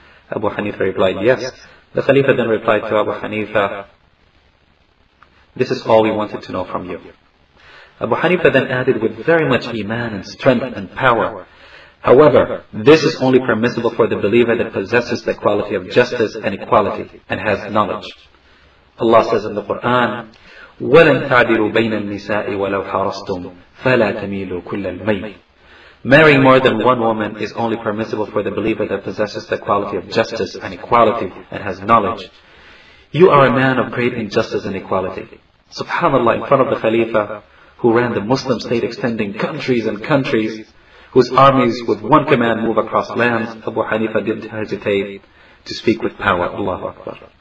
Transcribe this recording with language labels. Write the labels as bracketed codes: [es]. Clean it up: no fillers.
[en] Abu Hanifa replied, "Yes." The Khalifa then replied to Abu Hanifa, "This is all we wanted to know from you." Abu Hanifa then added with very much iman and strength and power, "However, this is only permissible for the believer that possesses the quality of justice and equality and has knowledge. Allah says in the Quran, [ar] وَلَنْ تَعْدِلُوا بَيْنَ النِّسَاءِ وَلَوْ حَرَصْتُمْ فَلَا تَمِيلُوا كُلَّ الْمَيْلِ." [en] Marrying more than one woman is only permissible for the believer that possesses the quality of justice and equality and has knowledge. You are a man of great injustice and equality. SubhanAllah, in front of the Khalifa, who ran the Muslim state extending countries and countries, whose armies with one command move across lands, Abu Hanifa didn't hesitate to speak with power. Allahu Akbar.